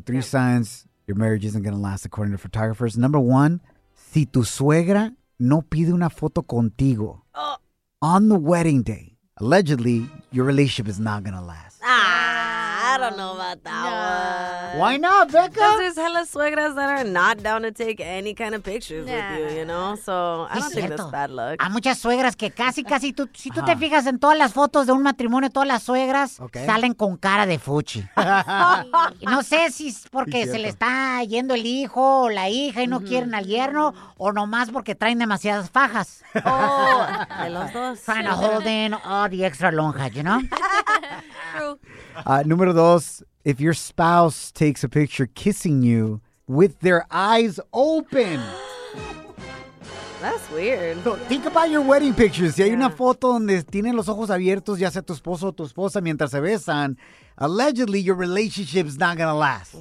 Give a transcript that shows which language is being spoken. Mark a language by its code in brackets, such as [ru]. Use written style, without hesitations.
[en] Three signs your marriage isn't going to last, according to photographers. Number one, [es] si tu suegra no pide una foto contigo [en] on the wedding day, allegedly, your relationship is not going to last. I don't know about that one. Why not, Becca? Because there's hella suegras that are not down to take any kind of pictures with you, you know? So I don't think that's bad luck. [es] Hay muchas suegras que casi, si tú te fijas en todas las fotos de un matrimonio, todas las suegras salen con cara de fuchi. No sé si es porque se le está yendo el hijo o la hija y no quieren al yerno, o nomás porque traen demasiadas fajas. Oh, de los dos. [en] Trying to hold in all the extra lonjas, you know? [es] Número dos, [en] if your spouse takes a picture kissing you with their eyes open. That's weird. So think about your wedding pictures. [es] Si hay una foto donde tienen los ojos abiertos, ya sea tu esposo o tu esposa, mientras se besan, [en] allegedly your relationship's not gonna last.